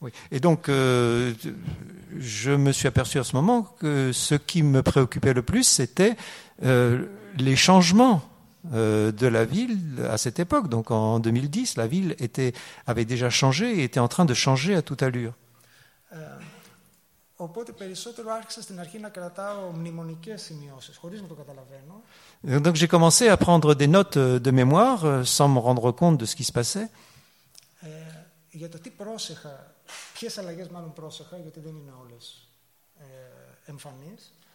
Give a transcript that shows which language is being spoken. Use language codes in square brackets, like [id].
[fr] Et donc, je me suis aperçu à ce moment que ce qui me préoccupait le plus, c'était les changements de la ville à cette époque. Donc en 2010, la ville avait déjà changé et était en train de changer à toute allure. [el] Οπότε περισσότερο άρχισα στην αρχή να κρατάω μνημονικές σημειώσεις, χωρίς να το καταλαβαίνω. [fr] Donc j'ai commencé à prendre des notes de mémoire sans me rendre compte de ce qui se passait. [el] Για το τι πρόσεχα, ποιες αλλαγές μάλλον πρόσεχα, γιατί δεν είναι όλες εμφανείς.